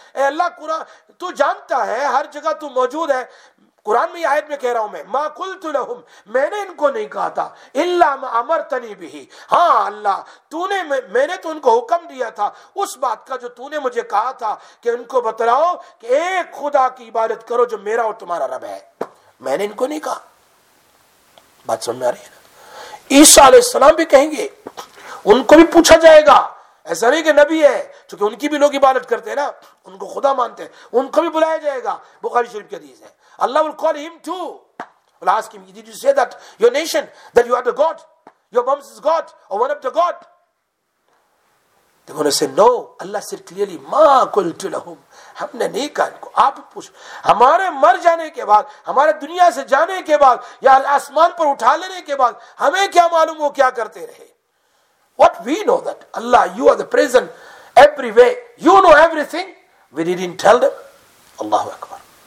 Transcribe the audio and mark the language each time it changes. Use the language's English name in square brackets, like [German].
[Urdu] اے اللہ قرآن تو جانتا ہے, ہر جگہ تو موجود ہے, قرآن میں آیت میں کہہ رہا ہوں میں, [Arabic] ما قلت لہم [Urdu] میں نے ان کو نہیں کہا تھا, [Arabic] الا ما امرتنی به, [Urdu] ہاں اللہ تو نے, میں نے تو ان کو حکم دیا تھا اس بات کا جو تو نے مجھے کہا تھا کہ ان کو بتلاؤ کہ ایک خدا کی عبادت کرو جو میرا اور تمہارا رب ہے, میں نے ان کو نہیں کہا. بات سمجھ میں آ رہی ہے؟ عیسیٰ علیہ السلام بھی کہیں گے, ان کو بھی پوچھا جائے گا, ایسا نہیں کہ نبی ہے, چونکہ ان کی بھی لوگ عبادت کرتے ہیں نا, ان کو خدا مانتے ہیں, ان کو بھی بلایا جائے گا. بخاری شریف کی حدیث ہے, [English] Allah will call him too, will ask him, did you say that your nation, that you are the god, your mom is god or one of the god? They're going to say no. Allah said clearly [Arabic] ما قلت لهم, [Urdu] ہم نے نہیں کہا ان کو, آپ پوچھ. ہمارے مر جانے کے بعد, ہمارے دنیا سے جانے کے بعد, یا آسمان پر اٹھا لینے کے بعد, ہمیں کیا معلوم وہ کیا کرتے رہے؟ [English] What we know that Allah, you are the present everywhere, you know everything, we didn't tell them. [Urdu] Allahu Akbar.